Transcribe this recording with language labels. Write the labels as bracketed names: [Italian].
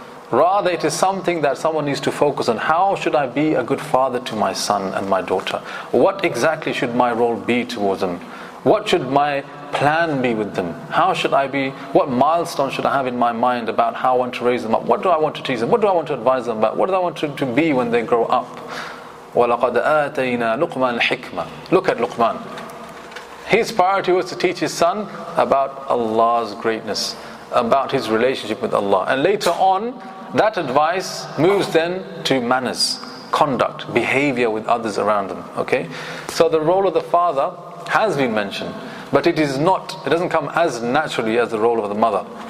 [English] Rather, it is something that someone needs to focus on. How should I be a good father to my son and my daughter? What exactly should my role be towards them? What should my plan be with them? How should I be? What milestone should I have in my mind about how I want to raise them up? What do I want to teach them? What do I want to advise them about? What do I want to be when they grow up? [Arabic] وَلَقَدْ آتَيْنَا لُقْمَانَ الْحِكْمَةَ [English] Look at Luqman. His priority was to teach his son about Allah's greatness, about his relationship with Allah. And later on, that advice moves then to manners, conduct, behavior with others around them. Okay, so the role of the father has been mentioned, but it doesn't come as naturally as the role of the mother.